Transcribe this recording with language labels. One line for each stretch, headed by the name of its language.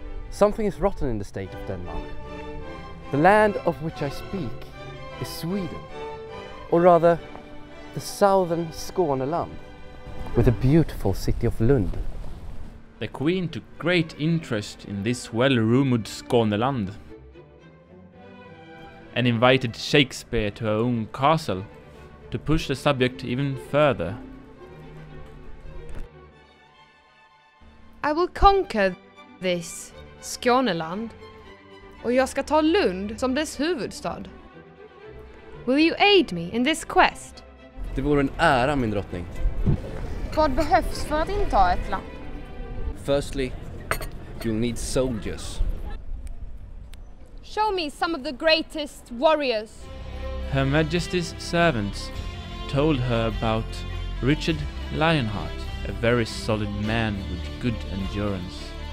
English: Something is rotten in the state of Denmark. The land of which I speak is Sweden, or rather the southern Skåne land, with a beautiful city of Lund. The queen took great interest in this well-rumored Skåneland and invited Shakespeare to her own castle to push the subject even further. I will conquer this Skåneland,
Swedish: och jag ska ta Lund som dess huvudstad.
English: Will you aid me in this quest?
Swedish: Det vore en ära, min drottning. Vad behövs för att inta ett land?
English: Firstly, you'll need soldiers. Show me some of the greatest warriors. Her Majesty's servants told her about Richard Lionheart, a very solid man with good endurance.